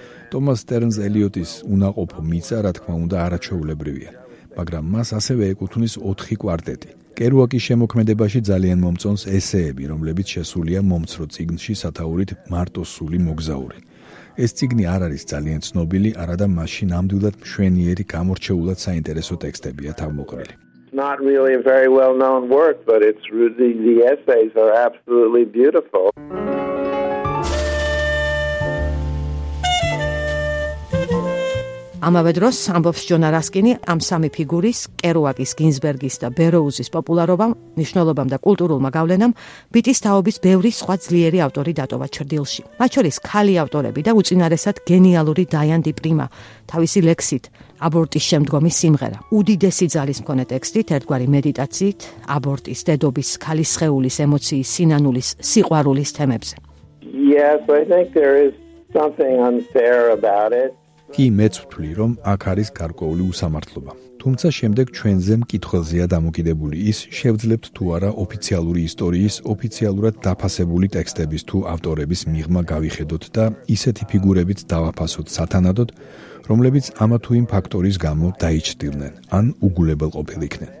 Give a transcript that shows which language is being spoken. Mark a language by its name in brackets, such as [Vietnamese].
[Georgian] Thomas Stearns Eliot-ის უნაყოფო მიწა, რა თქმა უნდა, არაჩვეულებრივია, მაგრამ მას ასევე ეკუთვნის 4 კვარტეტი. კერუაკის შემოქმედებაში ძალიან მომწონს ესეები, რომლებიც შესულია მომცრო წიგნში სათაურით „მარტო სული მოგზაური“. ეს წიგნი არ არის ძალიან ცნობილი, არადა მასში ნამდვილად მშვენიერი, გამორჩეულად საინტერესო ტექსტებია თავმოყრილი. [English] Not really a very well-known work, but it's really the essays are absolutely beautiful. [Georgian] ამავე დროს ამბობს ჯონ რასკინი, ამ სამი ფიგურის, კერუაკის, გინზბერგის და ბეროუზის პოპულარობამ, მნიშვნელობამ და კულტურულმა გავლენამ ბიტის თაობის ბევრი სხვა ძლიერი ავტორი დატოვა ჩრდილში. მათ შორის ქალი ავტორები და უწინარესად გენიალური დაიან დი პრიმა, თავისი ლექსით „აბორტის შემდგომი სიმღერა“, უდიდესი ძალის მქონე ტექსტით, ერთგვარი მედიტაციით, აბორტის, დედობის, ქალის სხეულის, ემოციის, სინანულის, სიყვარულის თემებზე. [English] Yes, I think there is something unfair about it. [Georgian] კი, მეც ვთვლი, რომ აქ არის გარკვეული უსამართლობა. თუმცა შემდეგ ჩვენზე მკითხველზეა დამოკიდებული ის, შევძლებთ თუ არა ოფიციალური ისტორიის, ოფიციალურად დაფასებული ტექსტების თუ ავტორების მიღმა გავიხედოთ და ისეთი ფიგურებით დავაფასოთ სათანადოდ, რომლებიც ამა თუ იმ ფაქტორის გამო დაიჭრდილნენ ან უგულებელ ყოფილიქნენ.